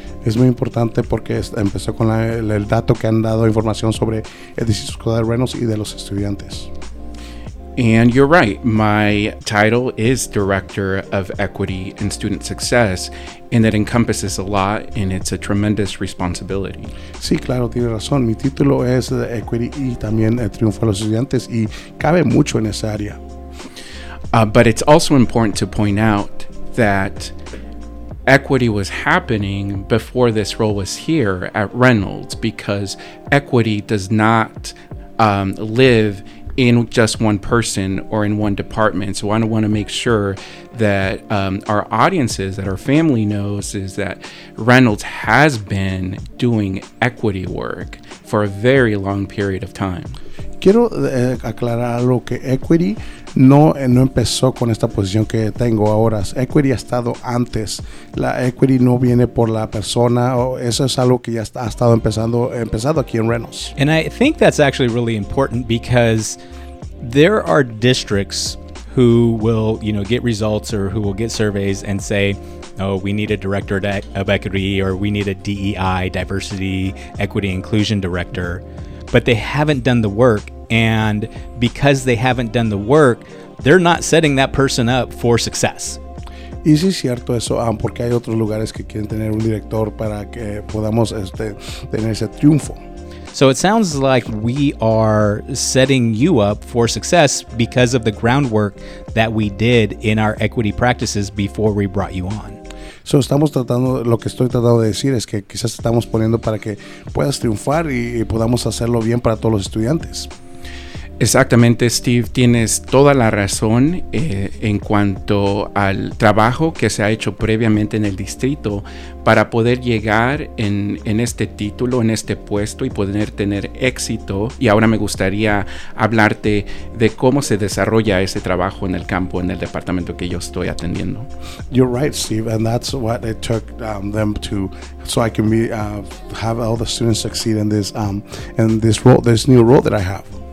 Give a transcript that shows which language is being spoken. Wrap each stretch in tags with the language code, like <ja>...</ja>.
<es>Es muy importante porque empezó con el dato que han dado información sobre el distrito escolar de Reynolds y de los estudiantes.</es> <en>And you're right. My title is Director of Equity and Student Success, and that encompasses a lot, and it's a tremendous responsibility.</en> <es>Sí, claro, tiene razón. Mi título es Equity y también el triunfo de los estudiantes, y cabe mucho en esa área.</es> <en>But it's also important to point out that equity was happening before this role was here at Reynolds, because equity does not live in just one person or in one department. So I want to make sure that our audiences, that our family knows, is that Reynolds has been doing equity work for a very long period of time.</en> <es>Quiero aclarar algo, que equity no empezó con esta posición que tengo ahora. Equity ha estado antes. La equity no viene por la persona. Eso es algo que ya ha estado empezando aquí en Reynolds.</es> <en>And I think that's actually really important, because there are districts who will, you know, get results or who will get surveys and say, oh, we need a director of equity, or we need a DEI, diversity, equity, inclusion director. But they haven't done the work, and because they haven't done the work, they're not setting that person up for success.</en> <es>Y sí, cierto eso, porque hay otros lugares que quieren tener un director para que podamos tener ese triunfo.</es> <en>So it sounds like we are setting you up for success because of the groundwork that we did in our equity practices before we brought you on.</en> <es>So estamos tratando, lo que estoy tratando de decir es que quizás estamos poniendo para que puedas triunfar y podamos hacerlo bien para todos los estudiantes. Exactamente, Steve, tienes toda la razón en cuanto al trabajo que se ha hecho previamente en el distrito para poder llegar en este título, en este puesto, y poder tener éxito. Y ahora me gustaría hablarte de cómo se desarrolla ese trabajo en el campo, en el departamento que yo estoy atendiendo.</es> <en>You're right, Steve, and that's what it took them to, so I can be have all the students succeed in this role, this new role that I have.</en>